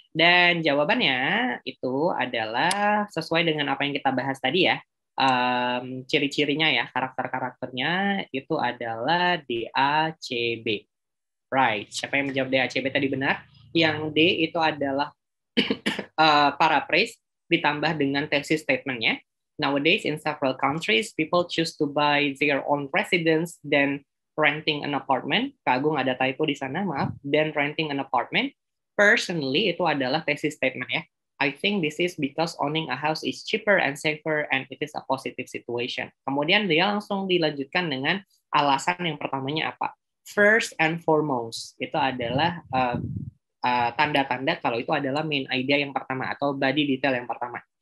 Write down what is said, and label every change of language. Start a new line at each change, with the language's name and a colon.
Indonesian: Dan jawabannya itu adalah sesuai dengan apa yang kita bahas tadi ya. Ciri-cirinya ya, karakter-karakternya itu adalah D-A-C-B. Right, siapa yang menjawab D-A-C-B tadi benar? Yang D itu adalah paraphrase ditambah dengan thesis statement-nya.
English: Nowadays, in several countries, people choose to buy their own residence than renting an apartment.
Indonesian: Kak Agung ada typo di sana, maaf.
English: Than renting an apartment.
Indonesian: Personally, itu adalah thesis statement ya.
English: I think this is because owning a house is cheaper and safer and it is a positive situation.
Indonesian: Kemudian dia langsung dilanjutkan dengan alasan yang pertamanya apa?
English: First and foremost,
Indonesian: itu adalah tanda-tanda kalau itu adalah main idea yang pertama atau body detail yang pertama.